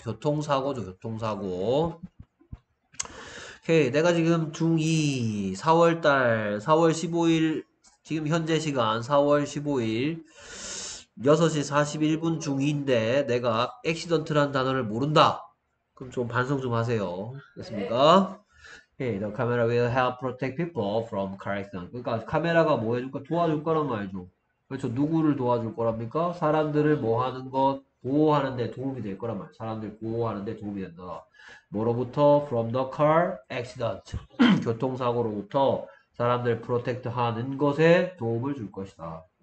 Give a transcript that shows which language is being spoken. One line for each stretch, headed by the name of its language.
Korean: 교통사고죠, 교통사고. 오케이, 내가 지금 중2, 4월달, 4월 15일, 지금 현재 시간 4월 15일, 6시 41분 중2인데, 내가 accident란 단어를 모른다. 그럼 좀 반성 좀 하세요. 됐습니까?
English: Hey, the camera will help protect people from car accident.
Korean: 그러니까 카메라가 뭐 해줄까? 도와줄 거란 말이죠. 그렇죠. 누구를 도와줄 거랍니까? 사람들을 뭐 하는 것? 보호하는 데 도움이 될 거란 말이죠. 사람들 보호하는 데 도움이 된다. 뭐로부터?
English: From the car accident.
Korean: 교통사고로부터 사람들 프로텍트 하는 것에 도움을 줄 것이다.